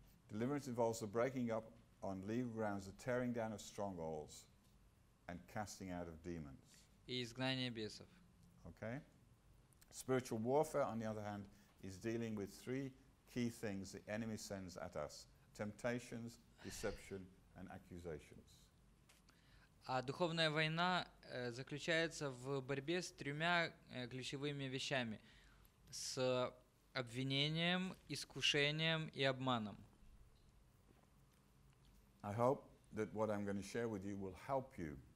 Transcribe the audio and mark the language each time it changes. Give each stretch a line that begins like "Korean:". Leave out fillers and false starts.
English: Deliverance involves the breaking up on legal grounds, the tearing down of strongholds, and casting out of demons.
Russian: И изгнание бесов.
English: Okay. Spiritual warfare, on the other hand, is dealing with three key things the enemy sends at us: temptations, deception, and accusations.
Russian: А духовная война заключается в борьбе с тремя ключевыми вещами: с обвинением, искушением и обманом.
English: I hope that what I'm going to share with you will help you.